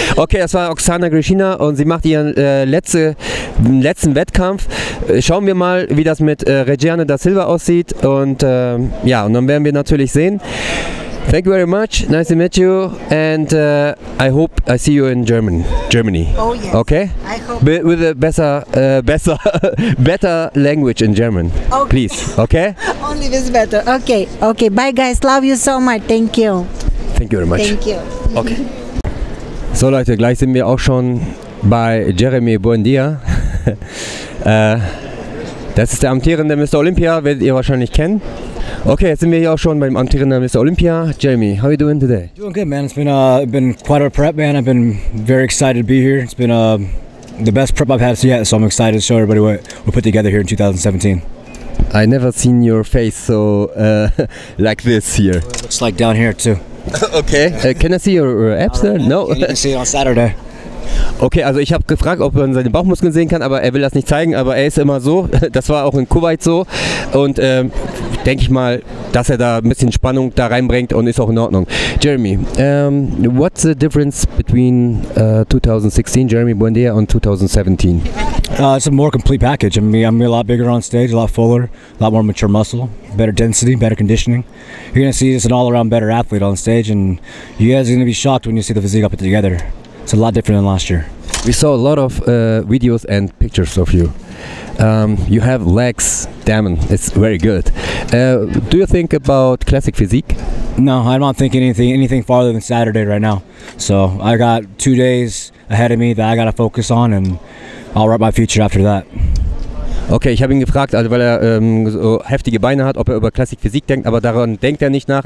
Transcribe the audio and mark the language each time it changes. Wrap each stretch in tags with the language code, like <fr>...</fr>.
<de>Okay, das war Oksana Grischina und sie macht ihren letzten Wettkampf. Schauen wir mal, wie das mit Regiane da Silva aussieht. Und ja, und dann werden wir natürlich sehen.</de> <en>Thank you very much. Nice to meet you. And I hope I see you in Germany. Oh yes. Okay? I hope. With a better language in German. Okay. Please. Okay? Only with better. Okay. Okay. Bye guys. Love you so much. Thank you. Thank you very much. Thank you. Okay.</en> <de>So Leute, gleich sind wir auch schon bei Jeremy Buendia. Das ist der amtierende Mr. Olympia, werdet ihr wahrscheinlich kennen. Okay, jetzt sind wir hier auch schon beim amtierenden Mr.</de> <en>Olympia. Jeremy, how are you doing today? Doing good, man. It's been quite a prep, man. I've been very excited to be here. It's been the best prep I've had yet, so I'm excited to show everybody what we put together here in 2017. I never seen your face so like this here. Well, it looks like down here too. Okay. Can I see your abs there? No. Yeah, you can see it on Saturday.</en> <de>Okay, also ich habe gefragt, ob man seine Bauchmuskeln sehen kann, aber er will das nicht zeigen, aber er ist immer so. Das war auch in Kuwait so. Und denke ich mal, dass er da ein bisschen Spannung da reinbringt und ist auch in Ordnung.</de> <en>Jeremy, what's the difference between 2016, Jeremy Buendia, und 2017? It's a more complete package. I mean, I'm a lot bigger on stage, a lot fuller, a lot more mature muscle, better density, better conditioning. You're going to see it's an all-around better athlete on stage and you guys are going to be shocked when you see the physique I put together. It's a lot different than last year. We saw a lot of videos and pictures of you. You have legs, damn, it's very good. Do you think about classic physique? No, I'm not thinking anything farther than Saturday right now. So I got 2 days ahead of me that I gotta focus on and I'll write my future after that.</en> <de>Okay, ich habe ihn gefragt, also weil er so heftige Beine hat, ob er über Classic Physik denkt, aber daran denkt er nicht nach.</de>